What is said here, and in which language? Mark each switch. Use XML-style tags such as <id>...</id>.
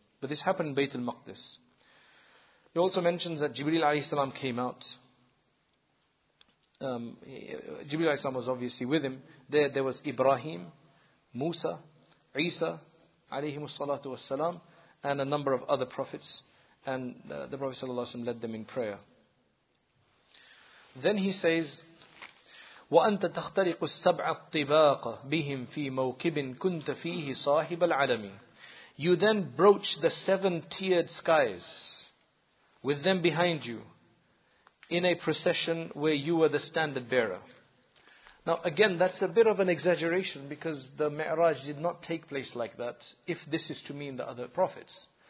<en>But this happened in Bayt al-Maqdis. He also mentions that Jibreel alayhi salam came out. Jibreel alayhi salam was obviously with him. There was Ibrahim, Musa, Isa alayhi salatu was salam, and a number of other prophets. And the Prophet sallallahu alayhi wa sallam led them in prayer. Then he says,</en> <ar>وَأَنْتَ تَخْتَرِقُ السَّبْعَ الطِّبَاقَ بِهِمْ فِي مَوْكِبٍ كُنْتَ فِيهِ صَاحِبَ الْعَلَمِ.</ar> <en>You then broach the seven-tiered skies with them behind you in a procession where you were the standard bearer. Now again, that's a bit of an exaggeration because the Mi'raj did not take place like that if this is to mean the other prophets.</en>